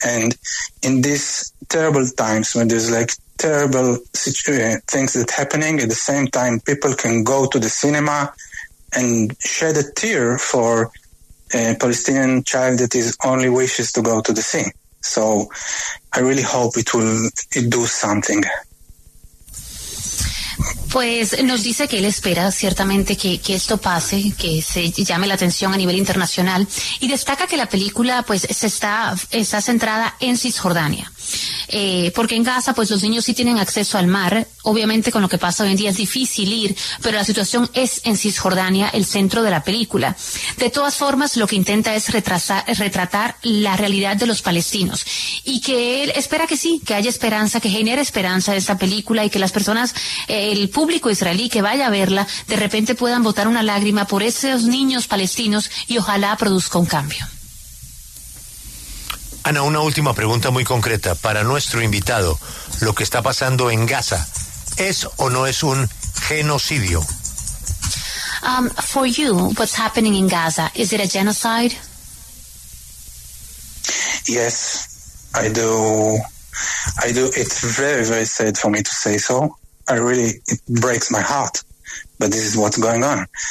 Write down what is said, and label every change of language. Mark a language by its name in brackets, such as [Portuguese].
[English] And in these terrible times, when there's like terrible things that happening, at the same time, people can go to the cinema and shed a tear for a Palestinian child that his only wishes to go to the sea. So I really hope it will do something. [Spanish] Pues nos dice que él espera ciertamente que esto pase, que se llame la atención a nivel internacional, y destaca que la película pues está centrada en Cisjordania. porque en Gaza pues los niños sí tienen acceso al mar. Obviamente con lo que pasa hoy en día es difícil ir, pero la situación es en Cisjordania el centro de la película. De todas formas, lo que intenta es retratar la realidad de los palestinos, y que él espera que sí, que haya esperanza, que genere esperanza esta película, y que las personas, el público israelí que vaya a verla, de repente puedan botar una lágrima por esos niños palestinos, y ojalá produzca un cambio. Ana, una última pregunta muy concreta para nuestro invitado. ¿Lo que está pasando en Gaza es o no es un genocidio? [English] For you, what's happening in Gaza, is it a genocide? Yes, I do. I do. It's very, very sad for me to say so. I really, it breaks my heart. But this is what's going on.